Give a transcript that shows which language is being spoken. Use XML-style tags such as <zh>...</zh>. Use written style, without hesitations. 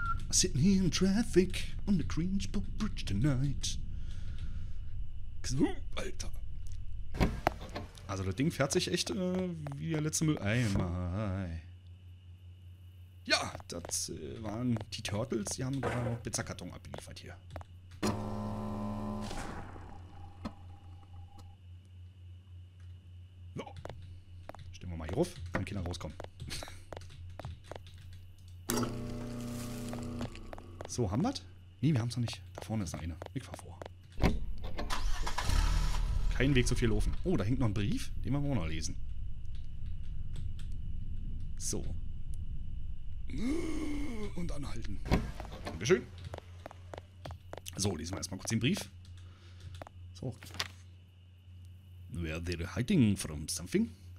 <en>Sitting here in traffic on the Greensboro Bridge tonight.</en> <de>Alter. Also das Ding fährt sich echt wie der letzte Mülleimer. Ja, das waren die Turtles. Die haben gerade noch Pizzakarton abgeliefert hier. So. Stimmen wir mal hier auf, dann Kinder rauskommen. So, haben wir das? Nee, wir haben es noch nicht. Da vorne ist noch eine. Ich fahr vor. Kein Weg zu viel laufen. Oh, da hängt noch ein Brief. Den wollen wir auch noch lesen. So. Und anhalten. Dankeschön. So, lesen wir erstmal kurz den Brief. So.</de> <en>Were they hiding from something?</en>